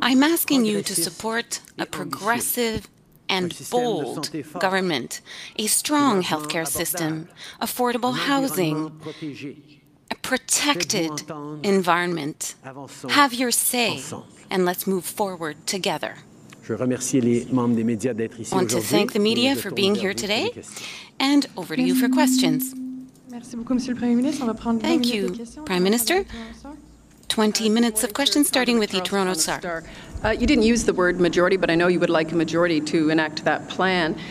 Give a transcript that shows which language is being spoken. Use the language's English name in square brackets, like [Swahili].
[English] I'm asking you to support a progressive and bold government, a strong healthcare system, affordable housing, a protected environment. Have your say, and let's move forward together. [French] Je remercie les membres des médias d'être ici aujourd'hui. [English] I want to thank the media for being here today. And over to you for questions. Thank you, Prime Minister. 20 minutes of questions, starting with the Toronto Star. You didn't use the word majority, but I know you would like a majority to enact that plan.